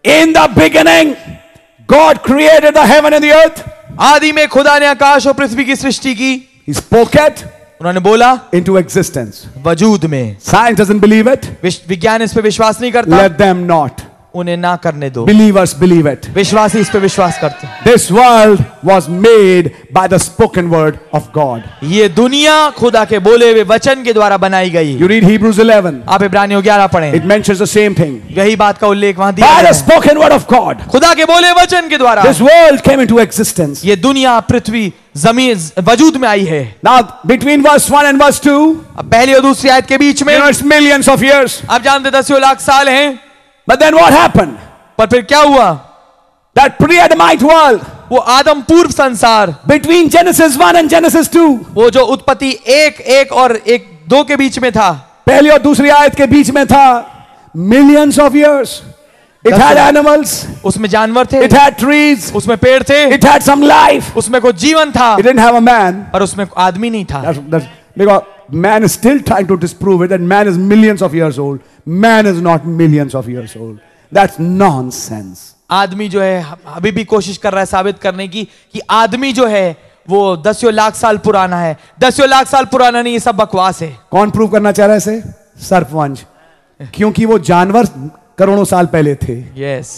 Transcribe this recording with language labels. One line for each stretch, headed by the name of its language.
English: In the beginning, God created the heaven and the earth.
Hindi: आदि में खुदा ने आकाश और पृथ्वी की सृष्टि की.
English: He spoke it.
Hindi: उन्होंने बोला.
English: Into existence.
Hindi: वजूद में.
English: Science doesn't believe it.
Hindi: विज्ञान इस पे विश्वास नहीं करता.
English: Let them not.
Hindi: उन्हें ना करने दो.
English: Believers believe it.
Hindi: विश्वासी इस पे विश्वास करते.
English: This world was made by the spoken word of God.
Hindi: ये दुनिया खुदा के बोले हुए वचन के द्वारा बनाई गई.
English: You read Hebrews 11.
Hindi: आप इब्रानियों 11 पढ़ें.
English: It mentions the same thing.
Hindi: यही बात का उल्लेख वहाँ दिया
English: है. By the spoken word of God.
Hindi: खुदा के बोले वचन के द्वारा.
English: This world came into existence.
Hindi: ये दुनिया, पृथ्वी, जमीन वजूद में आई है.
English: Now between verse 1 and verse 2.
Hindi: अब पहली और दूसरी आयत के बीच में.
English: You know, it's millions of years.
Hindi: आप जानते हैं दसियों लाख साल हैं.
English: But then what happened?
Hindi: पर फिर क्या हुआ?
English: That pre-Adamite world,
Hindi: वो आदम पूर्व संसार,
English: between Genesis 1 and Genesis 2,
Hindi: वो जो उत्पत्ति एक एक और एक दो के बीच में था, पहली और दूसरी आयत के बीच में था,
English: millions of years, it had animals,
Hindi: उसमें जानवर थे,
English: it had trees,
Hindi: उसमें पेड़ थे,
English: it had some life,
Hindi: उसमें कोई जीवन था,
English: it didn't have a man,
Hindi: पर उसमें आदमी नहीं था.
English: That's man is still trying to disprove it that man is millions of years old. Man is not millions of years old. That's nonsense.
Hindi: आदमी जो है अभी भी कोशिश कर रहा है साबित करने की कि आदमी जो है वो दसियों लाख साल पुराना है. दसियों लाख साल पुराना नहीं, ये सब बकवास है. कौन प्रूव करना चाह रहा है इसे? सर्पवंश. क्योंकि वो जानवर करोड़ों साल पहले थे.
English: Yes.